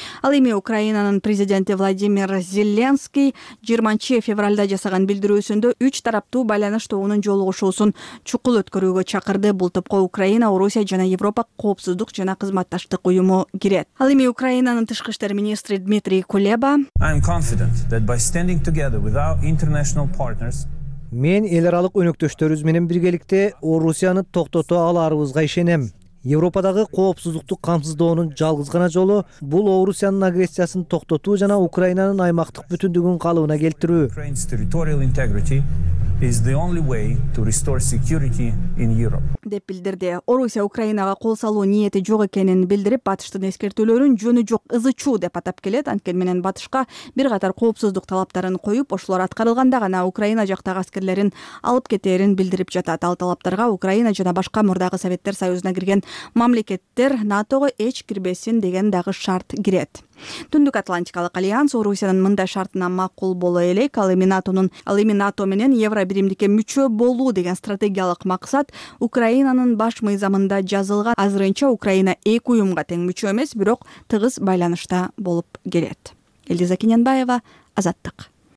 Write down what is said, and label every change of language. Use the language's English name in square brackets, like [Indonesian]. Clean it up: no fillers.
[Kyrgyz] Ал эми Украинанын президенти Владимир Зеленский 20 февралда жасаган билдирүүсүндө 3 тараптуу байланыш тобунун жолугушуусун чукул өткөрүүгө чакырды. Бул топко Украина, Орусия жана Европа коопсуздук жана кызматташтык уюму кирет. Ал эми Украинанын тышкы иштер министри Дмитрий Кулеба [English] I am confident that by standing together with our international partners [Kyrgyz] Мен эл аралык өнөктөштөрүбүз менен биргеликте Орусияны токтото аларыбызга ишенем. Европадагы коопсуздукту камсыздоонун жалгыз гана жолу бул Орусиянын агрессиясын токтотуу жана Украинанын аймактык бүтүндүгүн калыбына келтирүү. [English] Is the only way to restore security in Europe. [Kyrgyz] Деп билдирди. Орусия Украинага кол салуу ниети жок экенин билдирип, батыштын эскертүүлөрүн жөнү жок ызычуу деп атап келет. Анткени менен батышка бир катар коопсуздук талаптарын коюп, ошолор аткарылганда гана Украина жактагы аскерлерин алып кетэрин билдирип жатат. Ал талаптарга Украина жана башка мурдагы Советтер Союзуна кирген мамлекеттер НАТОго эч кирбесин деген дагы шарт кирет. Түндүк Атлантикалык альянс Орусиянын мындай шартына макул боло элек. Ал эми НАТО менен Евробиримдикке мүчө болуу деген стратегиялык максат Украинанын баш мыйзамында жазылган. Азырынча Украина эки уюмга тең мүчө эмес, бирок тыгыз байланышта болуп келет. Элиза Кененбаева, Азаттык.